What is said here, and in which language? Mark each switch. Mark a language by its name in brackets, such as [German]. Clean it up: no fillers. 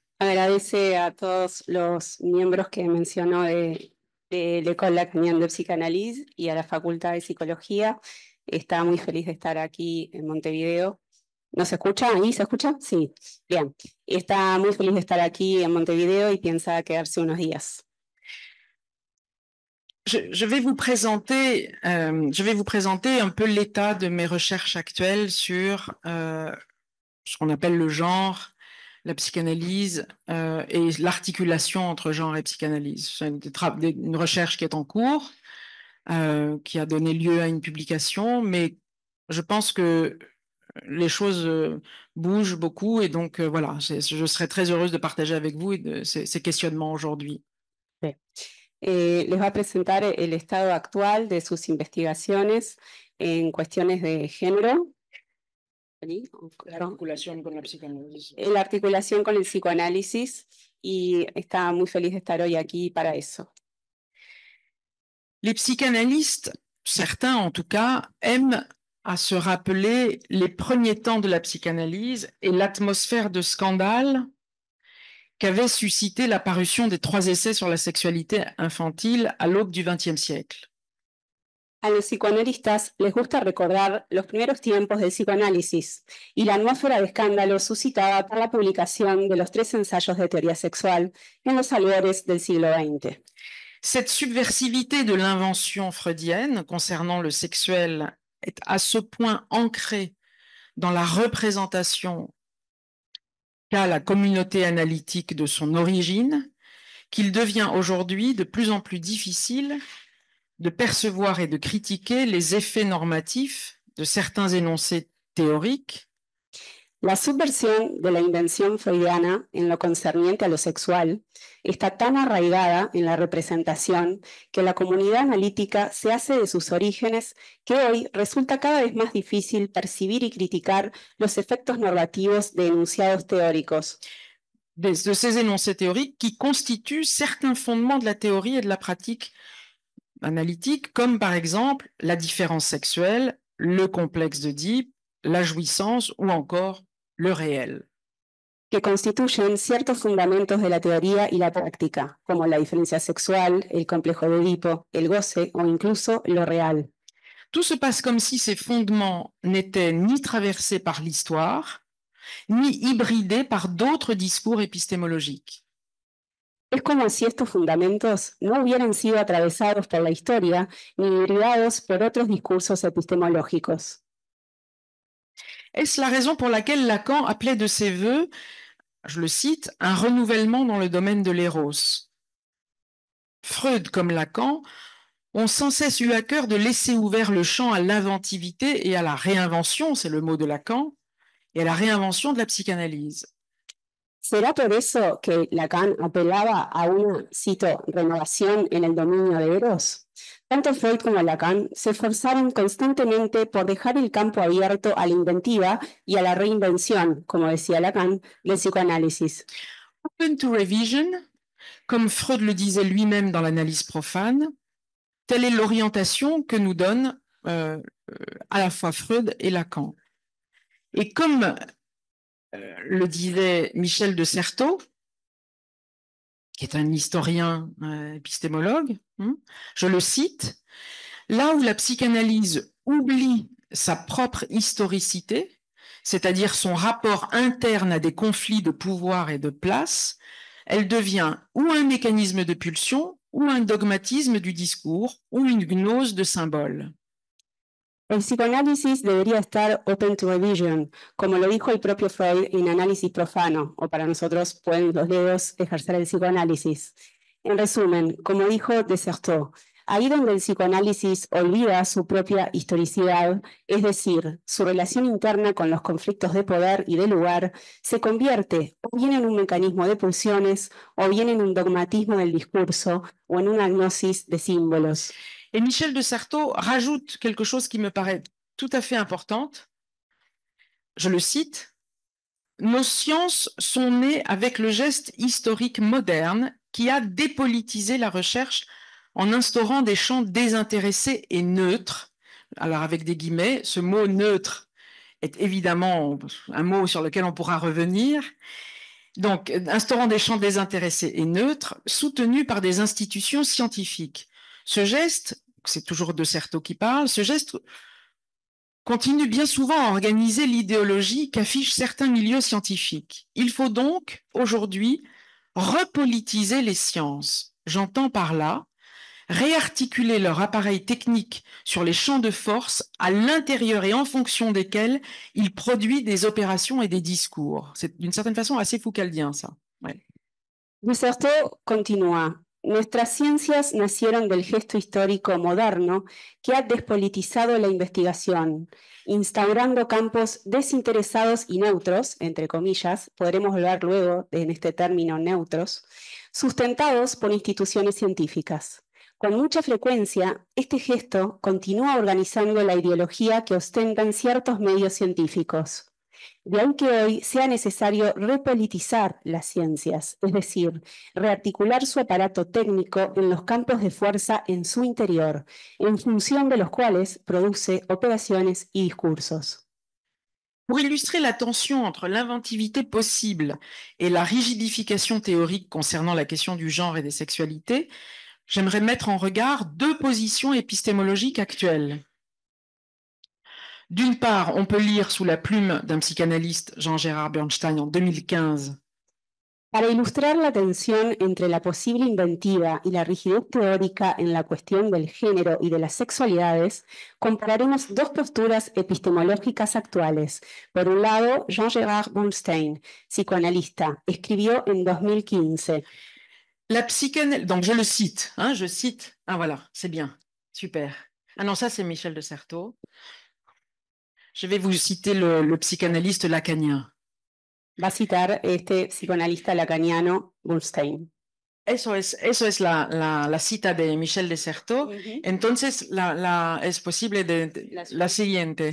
[Spanish] Agradece a todos los miembros que mencionó de l'École Lacanienne de Psicanálisis y a la Facultad de Psicología. Está muy feliz de estar aquí en Montevideo. ¿Nos escucha? ¿Ahí se escucha? Sí. Bien. Está muy feliz de estar aquí en Montevideo y piensa quedarse unos días. [French] Je vais vous présenter un peu l'état de mes recherches actuelles sur ce qu'on appelle le genre, la psychanalyse et l'articulation entre genre et psychanalyse. C'est une recherche qui est en cours, qui a donné lieu à une publication, mais je pense que les choses bougent beaucoup et donc voilà, je serai très heureuse de partager avec vous ces questionnements aujourd'hui. [Spanish] Les va a presentar el estado actual de sus investigaciones en cuestiones de género. La articulación con el psicoanálisis y está muy feliz de estar hoy aquí para eso. [French] Les psychanalystes, certains en tout cas, aiment à se rappeler les premiers temps de la psychanalyse et l'atmosphère de scandale qu'avait suscité l'apparition des trois essais sur la sexualité infantile à l'aube du XXe siècle. [Spanish] A los psicoanalistas les gusta recordar los primeros tiempos del psicoanálisis y la atmósfera de escándalo suscitada por la publicación de los tres ensayos de teoría sexual en los albores del siglo XX. [French] Cette subversivité de l'invention freudienne concernant le sexuel est à ce point ancrée dans la représentation qu'a la communauté analytique de son origine, qu'il devient aujourd'hui de plus en plus difficile de percevoir et de critiquer les effets normatifs de certains énoncés théoriques. [Spanish] La subversión de la invención freudiana en lo concerniente a lo sexual está tan arraigada en la representación que la comunidad analítica se hace de sus orígenes que hoy resulta cada vez más difícil percibir y criticar los efectos normativos de enunciados teóricos. [French] De ces énoncés théoriques qui constituent certains fondements de la théorie et de la pratique analytique, comme par exemple la différence sexuelle, le complexe d'Œdipe, la jouissance ou encore le réel. [Spanish] Que constituyen ciertos fundamentos de la teoría y la práctica, como la diferencia sexual, el complejo de Edipo, el goce o incluso lo real. [French] Tout se passe comme si ces fondements n'étaient ni traversés par l'histoire, ni hybridés par d'autres discours épistémologiques. [Spanish] Es como si estos fundamentos no hubieran sido atravesados por la historia ni hibridados por otros discursos epistemológicos. [French] Est-ce la raison pour laquelle Lacan appelait de ses voeux, je le cite, un renouvellement dans le domaine de l'éros? Freud, comme Lacan, ont sans cesse eu à cœur de laisser ouvert le champ à l'inventivité et à la réinvention, c'est le mot de Lacan, et à la réinvention de la psychanalyse. [Spanish] ¿Será por eso que Lacan apelaba a una, cito, renovación en el dominio de Eros? Tanto Freud como Lacan se esforzaron constantemente por dejar el campo abierto a la inventiva y a la reinvención, como decía Lacan, del psicoanálisis. [English] Open to revision, [French] comme Freud le disait lui-même dans l'analyse profane, telle est l'orientation que nous donnent à la fois Freud et Lacan. Et comme le disait Michel de Certeau, qui est un historien épistémologue, je le cite, là où la psychanalyse oublie sa propre historicité, c'est-à-dire son rapport interne à des conflits de pouvoir et de place, elle devient ou un mécanisme de pulsion, ou un dogmatisme du discours, ou une gnose de symboles. [Spanish] El psicoanálisis debería estar [English] open to revision, [Spanish] como lo dijo el propio Freud en Análisis profano, o para nosotros, pueden los dedos ejercer el psicoanálisis. En resumen, como dijo de Certeau, ahí donde el psicoanálisis olvida su propia historicidad, es decir, su relación interna con los conflictos de poder y de lugar, se convierte o bien en un mecanismo de pulsiones, o bien en un dogmatismo del discurso, o en una gnosis de símbolos. [French] Et Michel de Certeau rajoute quelque chose qui me paraît tout à fait importante. Je le cite. Nos sciences sont nées avec le geste historique moderne qui a dépolitisé la recherche en instaurant des champs désintéressés et neutres. Alors avec des guillemets, ce mot neutre est évidemment un mot sur lequel on pourra revenir. Donc, instaurant des champs désintéressés et neutres, soutenus par des institutions scientifiques. Ce geste, c'est toujours de Certeau qui parle, ce geste continue bien souvent à organiser l'idéologie qu'affichent certains milieux scientifiques. Il faut donc, aujourd'hui, repolitiser les sciences. J'entends par là réarticuler leur appareil technique sur les champs de force à l'intérieur et en fonction desquels il produit des opérations et des discours. C'est d'une certaine façon assez foucauldien, ça. Ouais. De Certeau continue. [Spanish] Nuestras ciencias nacieron del gesto histórico moderno que ha despolitizado la investigación, instaurando campos desinteresados y neutros, entre comillas, podremos hablar luego en este término neutros, sustentados por instituciones científicas. Con mucha frecuencia, este gesto continúa organizando la ideología que ostentan ciertos medios científicos. De ahí que hoy sea necesario repolitizar las ciencias, es decir, rearticular su aparato técnico en los campos de fuerza en su interior, en función de los cuales produce operaciones y discursos. [French] Pour illustrer la tension entre l'inventivité possible et la rigidification théorique concernant la question du genre et des sexualités, j'aimerais mettre en regard deux positions épistémologiques actuelles. D'une part, on peut lire sous la plume d'un psychanalyste, Jean-Gérard Bernstein, en 2015. [Spanish] Para ilustrar la tensión entre la posible inventiva y la rigidez teórica en la cuestión del género y de las sexualidades, compararemos dos posturas epistemológicas actuales. Por un lado, Jean-Gérard Bunstein, psicoanalista, escribió en 2015. [French] La psyché, donc je le cite, hein, je cite, ah voilà, c'est bien, super. Ah non, ça c'est Michel de Certeau. Je vais vous citer le psychanalyste lacanien. [Spanish] Va a citar este psicoanalista lacaniano, Bunstein. Eso es la cita de Michel de Certeau. Uh-huh. Entonces, es posible de la siguiente.